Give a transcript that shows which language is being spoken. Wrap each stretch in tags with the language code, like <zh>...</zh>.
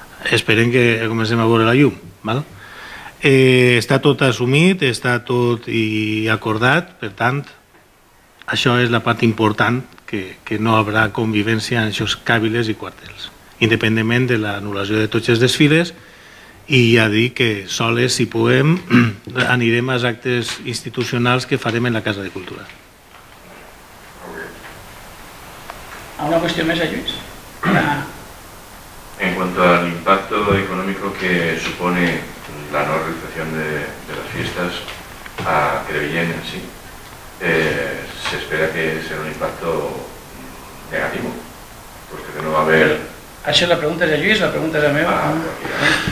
<ca>Esperem que comencem a veure la llum. Està tot assumit, està tot i acordat, per tant, això és la part important, que no hi haurà convivència en aquests càbiles i quartels, independentment de l'anul·lació de tots els desfiles. I ja dic que soles, si puguem, anirem als actes institucionals que farem en la Casa de Cultura. ¿Alguna qüestió més, Lluís?</ca> <es>En cuanto al impacto económico que supone la no realización de las fiestas a Crevillén en sí, se espera que sea un impacto negativo, porque que no va a haber...</es> <ca>Això la pregunta és a Lluís, la pregunta és a meva.</ca>